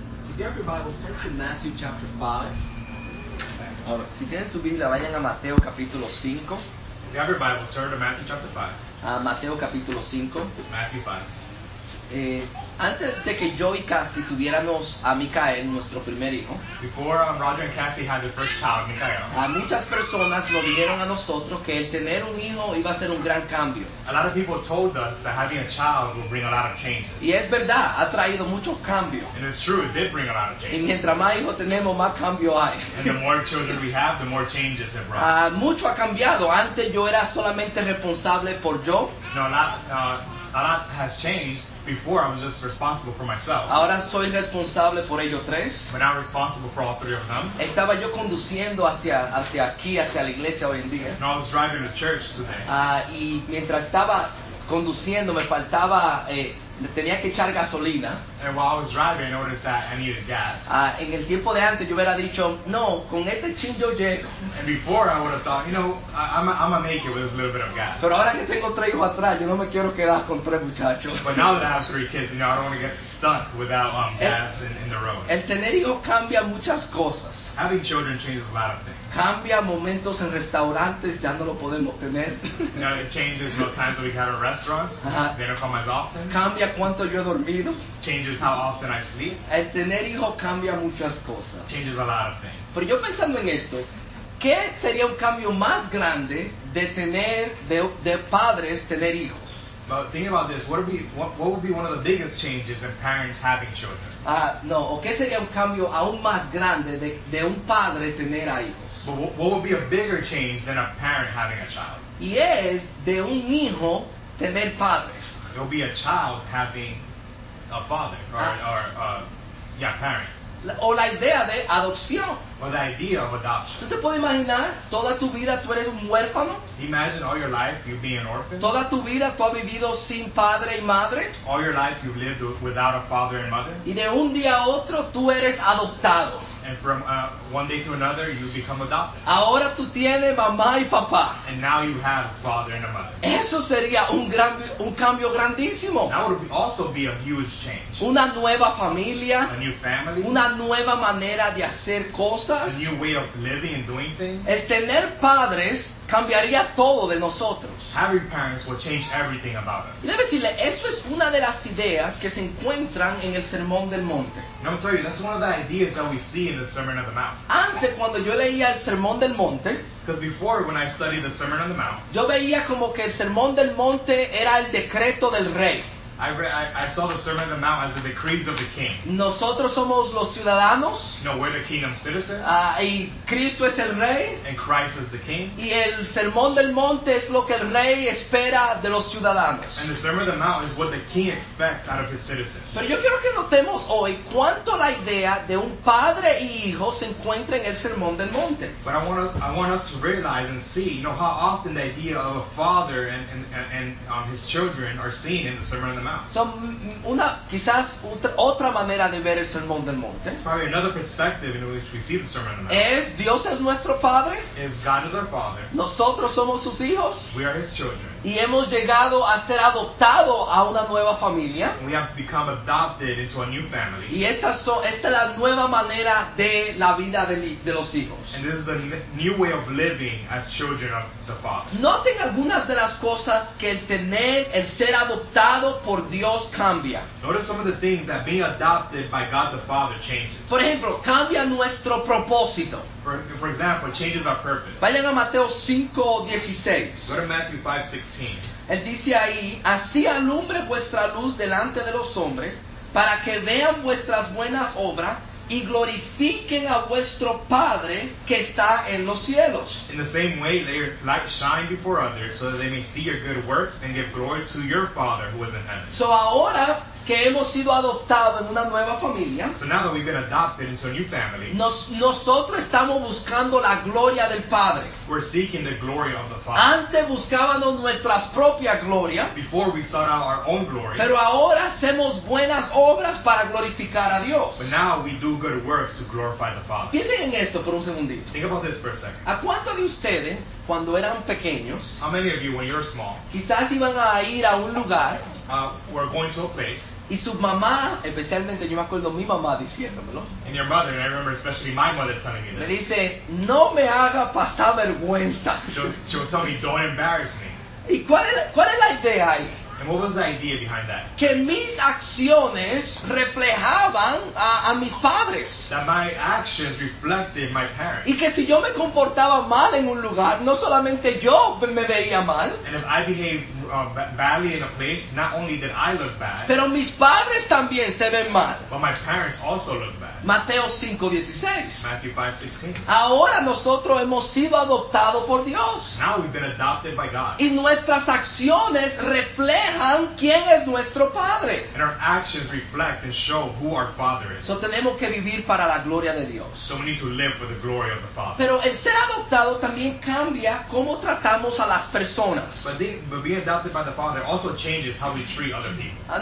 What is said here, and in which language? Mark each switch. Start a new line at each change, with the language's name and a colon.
English: If you have your Bibles, turn to Matthew chapter 5.
Spanish: Ahora, si tienen su Biblia, vayan a Mateo capítulo 5.
English: If you have your Bibles, turn to Matthew chapter 5.
Spanish: Mateo capítulo 5.
English: Matthew 5.
Spanish: Antes de que yo y Cassie tuviéramos a Micael, nuestro primer hijo,
English: Roger and Cassie had their first child, Micael,
Spanish: a muchas personas nos dijeron a nosotros que el tener un hijo iba a ser un gran cambio.
English: A lot of people told us that having a child will bring a lot of changes.
Spanish: Y es verdad, ha traído muchos cambios.
English: And it's true, it did bring a lot of changes.
Spanish: Y mientras más hijos tenemos, más cambio hay.
English: And the more children we have, the more changes it brought.
Spanish: Mucho ha cambiado. Antes yo era solamente responsable por yo.
English: A lot has changed. Before, I was just responsible for myself.
Spanish: Ahora soy responsable por ellos tres.
English: But now responsible for all three of them.
Spanish: Estaba yo conduciendo hacia aquí, hacia la iglesia hoy en día.
English: And I was driving to church today.
Spanish: Y mientras estaba conduciendo, me faltaba, tenía que echar gasolina.
English: And while I was driving, I noticed that I needed gas.
Spanish: En el tiempo de antes, yo hubiera dicho, no, con este chin yo llego.
English: And before, I would have thought, you know, I'm gonna make it with this little bit of gas.
Spanish: Pero ahora que tengo tres hijos atrás, yo no me quiero quedar con tres muchachos.
English: But now that I have three kids, you know, I don't want to get stuck without gas in the road.
Spanish: El tener hijos cambia muchas cosas.
English: Having children changes a lot of things.
Spanish: Cambia momentos en restaurantes, ya no lo podemos tener.
English: You know, it changes the times that we have in restaurants. They don't come as often.
Spanish: Cambia cuánto yo he dormido.
English: Changes how often I sleep.
Spanish: El tener hijo cambia muchas cosas.
English: Changes a lot of things.
Spanish: Pero yo pensando en esto, ¿qué sería un cambio más grande de tener de padres tener hijos?
English: But think about this. What would be one of the biggest changes in parents having children?
Spanish: ¿O qué sería un cambio aún más grande de un padre tener a hijos?
English: But what would be a bigger change than a parent having a child?
Spanish: Y es de un hijo tener padres.
English: It would be a child having a father parent.
Spanish: O la idea de adopción.
English: Or the idea of adoption.
Spanish: ¿Tú te puedes imaginar toda tu vida tú eres un huérfano?
English: Imagine all your life you being an orphan.
Spanish: Toda tu vida tú has vivido sin padre y madre.
English: All your life you've lived without a father and mother.
Spanish: Y de un día a otro tú eres adoptado.
English: And from one day to another you become adopted.
Spanish: Ahora tú tienes mamá y papá.
English: And now you have a father and a mother.
Spanish: Eso sería un cambio grandísimo.
English: That would also be a huge change.
Spanish: Una nueva familia.
English: A new family.
Spanish: Una nueva manera de hacer cosas.
English: A new way of living and doing things.
Spanish: El tener padres cambiaría todo de nosotros.
English: Having parents will change everything about us.
Spanish: Déjame decirle, eso es una de las ideas que se encuentran en el Sermón del Monte.
English: I'm going to tell you, that's one of the ideas that we see in the Sermon on the Mount.
Spanish: Antes, cuando yo leía el Sermón del Monte,
English: because before, when I studied the Sermon on the Mount,
Spanish: yo veía como que el Sermón del Monte era el decreto del rey.
English: I saw the Sermon on the Mount as the decrees of the king.
Spanish: Nosotros somos los ciudadanos.
English: No, we're the kingdom citizens.
Spanish: Y Cristo es el rey.
English: And Christ is the king.
Spanish: Y el Sermón del Monte es lo que el rey espera de los ciudadanos.
English: And the Sermon on the Mount is what the king expects out of his citizens.
Spanish: Pero yo quiero que notemos hoy cuánto la idea de un padre y hijo se encuentra en el Sermón del Monte.
English: But I want us to realize and see, you know, how often the idea of a father and his children are seen in the Sermon on the Mount.
Spanish: Son una quizás otra manera de ver el Sermón del Monte.
English: It's probably another perspective in which we see the Sermon on the Mount.
Spanish: Es Dios es nuestro padre.
English: Is God is our father.
Spanish: Nosotros somos sus hijos.
English: We are his children.
Spanish: Y hemos llegado a ser adoptado a una nueva familia.
English: We have become adopted into a new family.
Spanish: Y esta es la nueva manera de la vida de los hijos.
English: And this is the new way of living as children of the father.
Spanish: Noten algunas de las cosas que el ser adoptado por Dios cambia.
English: Notice some of the things that being adopted by God the Father changes.
Spanish: Por ejemplo, cambia nuestro propósito.
English: For example, it changes our purpose.
Spanish: Vayan a Mateo 5:16.
English: Go to Matthew 5:16.
Spanish: Él dice ahí, así alumbre vuestra luz delante de los hombres, para que vean vuestras buenas obras y glorifiquen a vuestro Padre que está en los cielos.
English: In the same way, let your light shine before others, so that they may see your good works and give glory to your Father who is in heaven.
Spanish: So ahora que hemos sido adoptados en una nueva familia,
English: so now that we've been adopted into a new family,
Spanish: nosotros estamos buscando la gloria del Padre.
English: We're seeking the glory of the Father.
Spanish: Antes buscábamos nuestras propias glorias.
English: Before we sought out our own glory.
Spanish: Pero ahora hacemos buenas obras para glorificar a Dios.
English: But now we do good works to glorify the Father.
Spanish: Piensen en esto por un segundito.
English: Think about this for a second.
Spanish: ¿A cuántos de ustedes, cuando eran pequeños,
English: how many of you, when you're small,
Spanish: quizás iban a ir a un lugar,
English: were going to a place.
Spanish: Y su mamá, especialmente, yo me acuerdo mi mamá diciéndomelo.
English: And your mother, and I remember especially my mother telling me this.
Spanish: Me dice, no me haga pasar vergüenza.
English: She would tell me, don't embarrass me.
Spanish: ¿Y cuál es la idea ahí?
English: And what was the idea behind that?
Spanish: Que mis acciones reflejaban a mis padres.
English: That my actions reflected my parents.
Spanish: Y que si yo me comportaba mal en un lugar, no solamente yo me veía mal.
English: And if I behaved badly in a place, not only did I look bad.
Spanish: Pero mis padres también se ven mal.
English: But my parents also look bad.
Spanish: Mateo 5:16.
English: Matthew 5:16.
Spanish: Ahora nosotros hemos sido adoptados por Dios.
English: Now we've been adopted by God.
Spanish: Y nuestras acciones reflejan quién es nuestro padre.
English: And our actions reflect and show who our father is.
Spanish: So tenemos que vivir para la gloria de Dios.
English: So we need to live for the glory of the Father.
Spanish: Pero el ser adoptado también cambia cómo tratamos a las personas.
English: But being adopted by the Father also changes how we treat other people.